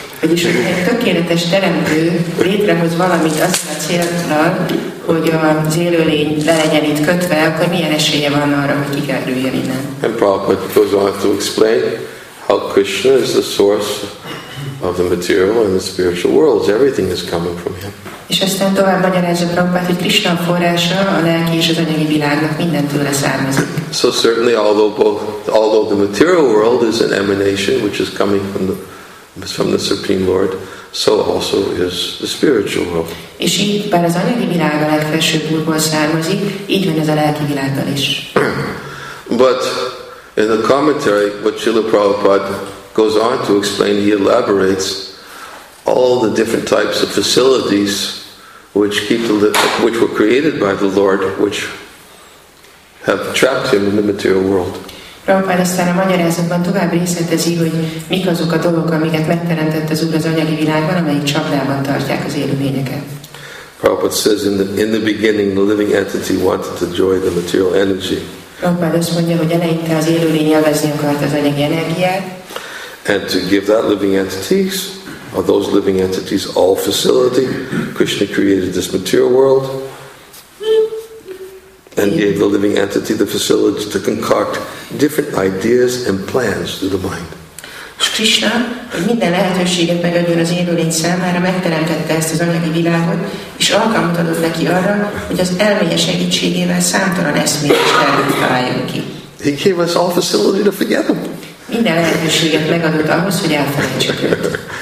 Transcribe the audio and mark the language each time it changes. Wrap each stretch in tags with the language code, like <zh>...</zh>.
<hu>Vagyis, hogy egy tökéletes teremtő létrehoz valamit azt a célnal, hogy az élőlény le legyen itt kötve, akkor milyen esélye van arra, hogy kikerüljön innen?</hu> <en>And Prabhupada goes on to explain how Krishna is the source of the material and the spiritual worlds. Everything is coming from him.</en> <hu>És aztán tovább magyarázza Prabhupada, hogy Krishna a forrása, a lelki és az anyagi világnak mindentől leszármazik.</hu> <en>So certainly, although the material world is an emanation which is coming from the Supreme Lord, so also is the spiritual world.</en> <hu>És így, bár az anyagi világ a legfelsőbb úrból származik, így van ez a lelki világgal is.</hu> <en>But in the commentary, what Srila Prabhupada goes on to explain, he elaborates all the different types of facilities which were created by the Lord, which have trapped him in the material world.</en> <hu>Prabhupád aztán a magyarázatban tovább részletezi, hogy mik azok a dolgok, amiket megteremtett az Úr az anyagi világban, amelyik csapdában tartják az élőlényeket.</hu> <en>Prabhupád says, in the beginning, the living entity wanted to enjoy the material energy.</en> <hu>Prabhupád azt mondja, hogy eleinte az élőlény élvezni akart az anyagi energiát.</hu> <en>And to give that living entities, or those living entities, all facility, Krishna created this material world. and gave the living entity the facility to concoct different ideas and plans through the mind.</en> <hu>És Krishna minden lehetőséget megadjon az élőlény számára, megteremtette ezt az anyagi világot, és alkalmat adott neki arra, hogy az elméje segítségével számtalan eszmét is találjon ki.</hu> <en>He gave us all facility to forget him.</en> <hu>Minden lehetőséget megadott ahhoz, hogy elfelejtsük őt.</hu>